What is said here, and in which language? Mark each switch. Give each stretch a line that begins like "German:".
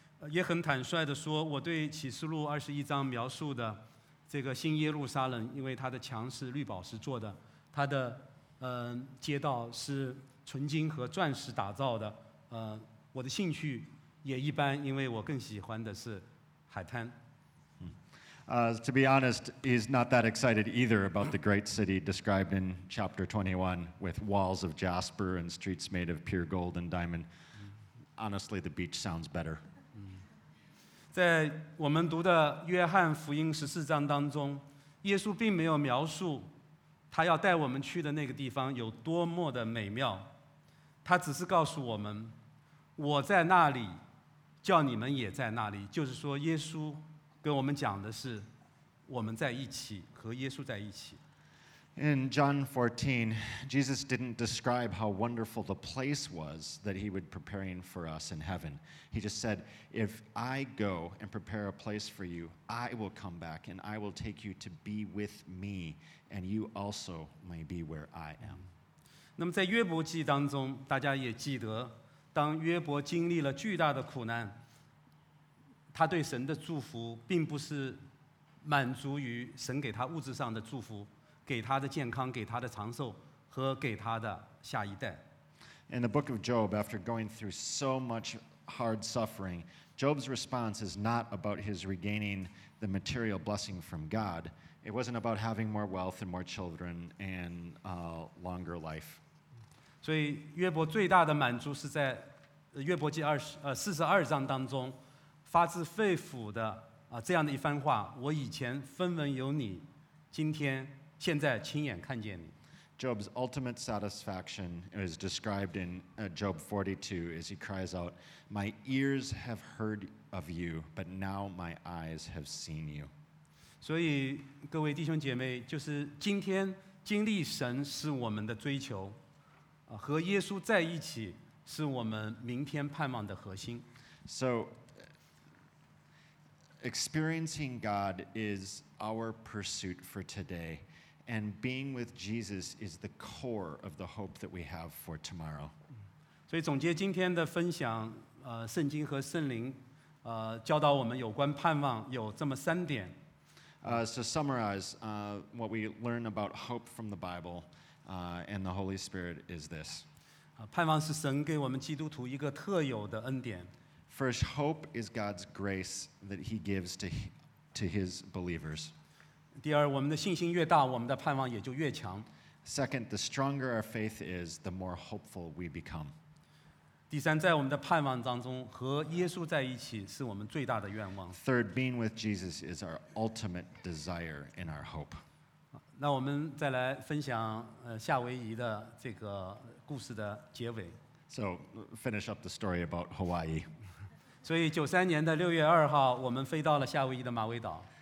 Chinese: 也很坦率地说，我对启示录二十一章描述的这个新耶路撒冷，因为它的墙是绿宝石做的，它的街道是纯金和钻石打造的，我的兴趣也一般，因为我更喜欢的是海滩。
English: To be honest, he's not that excited either about the great city described in chapter 21 with walls of jasper and streets made of pure gold and diamond. Honestly, the beach sounds better.
Chinese: 在我们读的约翰福音十四章当中，耶稣并没有描述他要带我们去的那个地方有多么的美妙，他只是告诉我们，我在那里叫你们也在那里，就是说耶稣跟我们讲的是我们在一起，和耶稣在一起。
English: In John 14, Jesus didn't describe how wonderful the place was that he would preparing for us in heaven. He just said, if I go and prepare a place for you, I will come back and I will take you to be with me, and you also may be where I am.
Chinese: 那么在约伯记当中，大家也记得，当约伯经历了巨大的苦难，他对神的祝福并不是满足于神给他物质上的祝福。给他的健康，给他的长寿，和给他的下一代。
English: In the book of Job, after going through so much hard suffering, Job's response is not about his regaining the material blessing from God. It wasn't about having more wealth and more children and longer life.
Chinese: 所以约伯最大的满足是在约伯记四十二章当中发自肺腑的这样的一番话：我以前分文有你，今天。现在亲眼看见你。
English: Job's ultimate satisfaction is described in Job 42 as he cries out, My ears have heard of you, but now my eyes have seen you.
Chinese: 所以各位弟兄姐妹，就是今天经历神是我们的追求，和耶稣在一起是我们明天盼望的核心。
English: So, experiencing God is our pursuit for today. And being with Jesus is the core of the hope that we have for tomorrow.
Chinese: 所以总结今天的分享，圣经和圣灵，教导我们有关盼望有这么三点。
English: So summarize what we learn about hope from the Bible and the Holy Spirit is this.
Chinese: 盼望是神给我们基督徒一个特有的恩典。
English: First, hope is God's grace that He gives to His believers.
Chinese: 第二，我们的信心越大，我们的盼望也就越强。
English: Second, the stronger our faith is, the more hopeful we become.
Chinese: 第三，在我们的盼望当中，和耶稣在一起是我们最大的愿望。
English: Third, being with Jesus is our ultimate desire in our hope.
Chinese: 那我们再来分享夏威夷的这个故事的结尾。
English: So, finish up the story about Hawaii.
Chinese: 所以93年的6月2号，我们飞到了夏威夷的马威岛。